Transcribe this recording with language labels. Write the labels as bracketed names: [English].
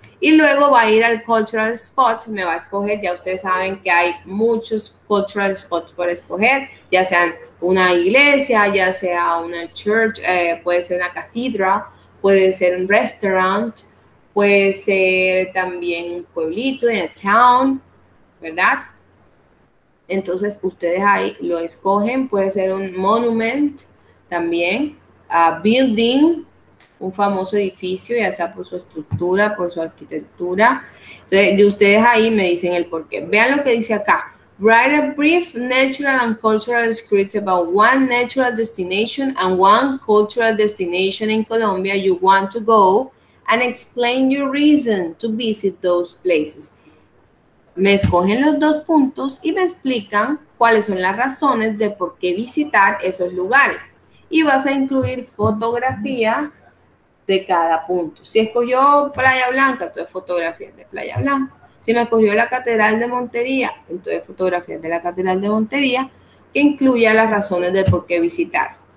[Spanish] Y luego va a ir al cultural spot, me va a escoger, ya ustedes saben que hay muchos cultural spots por escoger, ya sean una iglesia, ya sea una church, puede ser una catedral, puede ser un restaurant, puede ser también un pueblito, en el town, ¿verdad? Entonces, ustedes ahí lo escogen. Puede ser un monument también, a building, un famoso edificio, ya sea por su estructura, por su arquitectura. Entonces, de ustedes ahí me dicen el porqué. Vean lo que dice acá. [English] Write a brief natural and cultural script about one natural destination and one cultural destination in Colombia you want to go. And explain your reason to visit those places. [Spanish] me escogen los dos puntos y me explican cuáles son las razones de por qué visitar esos lugares. Y vas a incluir fotografías de cada punto. Si escogió Playa Blanca, entonces fotografías de Playa Blanca. Si me escogió la Catedral de Montería, entonces fotografías de la Catedral de Montería, que incluya las razones de por qué visitar.